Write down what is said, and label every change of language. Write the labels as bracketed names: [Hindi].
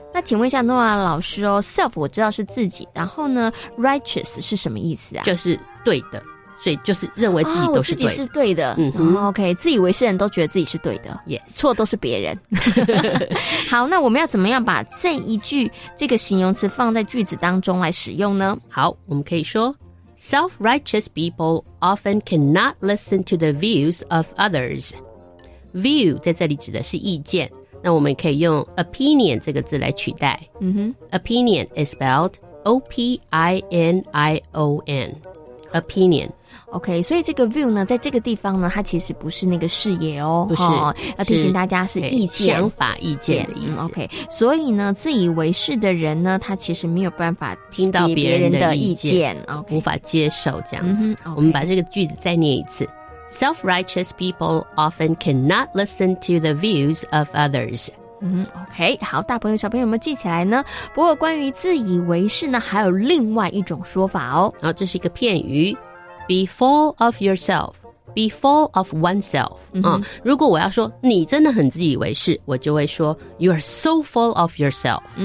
[Chinese] 那请问一下诺亚老师哦， self 我知道是自己，然后呢 righteous 是什么意思啊？就是对的，所以就是认为自己都是对的。我自己是对的。 OK， 自以为是人都觉得自己是对的。 [English] yes. [Chinese] 错都是别人。好，那我们要怎么样把这一句这个形容词放在句子当中来使用呢？ [English] 好， [Chinese] 我们可以说 [English] self-righteous people often cannot listen to the views of others. [Chinese] view 在这里指的是意见，那我们可以用 opinion 这个字来取代。 [English] Opinion is spelled O-P-I-N-I-O-N. Opinion. [Chinese] OK, 所以这个 view 呢，在这个地方呢，它其实不是那个视野哦。不是。要提醒大家是意见。想法意见的意思。 OK, 所以呢，自以为是的人呢，他其实没有办法听到别人的意见。 [English] Okay. [Chinese] 无法接受这样子。我们把这个句子再念一次。 [English] Self-righteous people often cannot listen to the views of others. [Chinese] OK, 好，大朋友小朋友有没有记起来呢？不过关于自以为是呢，还有另外一种说法哦。好，这是一个片语， [English] be full of yourself, be full of oneself. [Chinese] 如果我要说你真的很自以为是，我就会说 [English] you are so full of yourself.